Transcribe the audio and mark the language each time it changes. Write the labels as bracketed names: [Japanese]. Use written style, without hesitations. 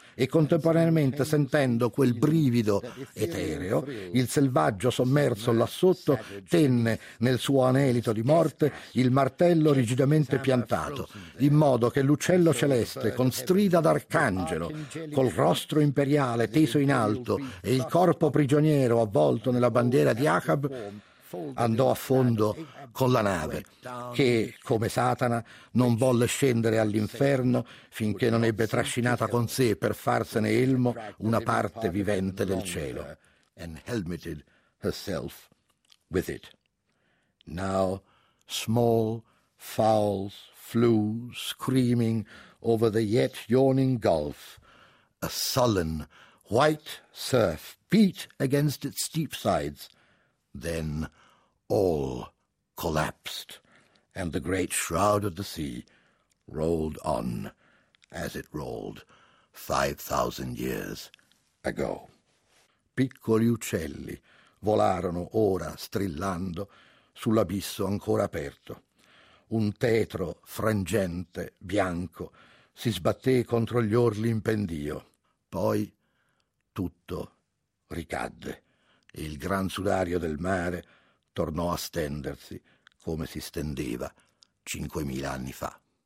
[Italian] E contemporaneamente, sentendo quel brivido etereo, il selvaggio sommerso là sotto tenne nel suo anelito di morte il martello rigidamente piantato, in modo che l'uccello celeste, con strida d'arcangelo, col rostro imperiale teso in alto e il corpo prigioniero avvolto nella bandiera di Ahab, andò a fondo con la nave, che, come Satana, non volle scendere all'inferno finché non ebbe trascinata con sé per farsene elmo una parte vivente del cielo. [English] And helmeted herself with it. Now small fowls flew screaming over the yet yawning gulf. A sullen white surf beat against its steep sides. Then all collapsed, and the great shroud of the sea rolled on as it rolled 5,000 years ago. [Italian] Piccoli uccelli volarono ora strillando sull'abisso ancora aperto. Un tetro frangente bianco si sbatté contro gli orli in pendio. Poi tutto ricadde, e il gran sudario del mare tornò a stendersi come si stendeva 5.000 anni fa.